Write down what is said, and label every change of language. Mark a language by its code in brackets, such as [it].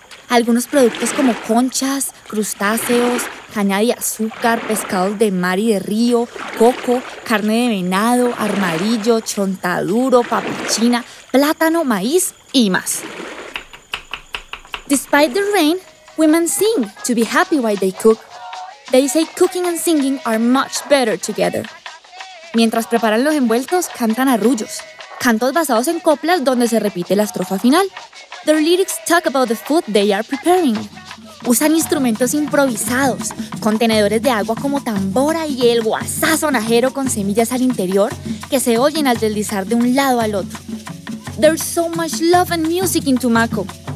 [es] Algunos productos como conchas, crustáceos, caña de azúcar, pescados de mar y de río, coco, carne de venado, armadillo, chontaduro, papuchina, plátano, maíz y más. [en] Despite the rain, women sing to be happy while they cook. They say cooking and singing are much better together. [es] Mientras preparan los envueltos, cantan arrullos, cantos basados en coplas donde se repite la estrofa final. [en] Their lyrics talk about the food they are preparing. [es] Usan instrumentos improvisados, contenedores de agua como tambora y el guasazo najero con semillas al interior que se oyen al deslizar de un lado al otro. [en] There's so much love and music in Tumaco.